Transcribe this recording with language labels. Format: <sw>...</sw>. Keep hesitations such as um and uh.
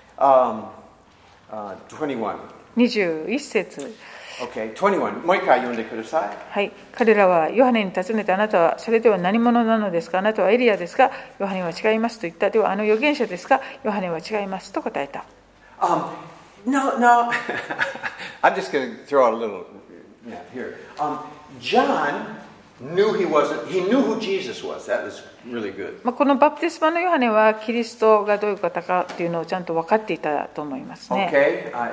<ja>um, uh, ?21。 21節</ja> <en>Okay, 21.</en> <ja>もう一回読んでください。はい。彼らはヨハネに尋ねて、あなたはそれでは何者なのですかあなたはエリアですかヨハネは違いますと言った。では、あの預言者ですかヨハネは違いますと答えた。</ja> <en>あ、um, no, no. I'm just going to throw a little.、Yeah, here.、Um, John. Was. Was really、</en> <ja>このバプテスマのヨハネはキリストがどういう方かというのをちゃんと分かっていたと思いますね。</ja>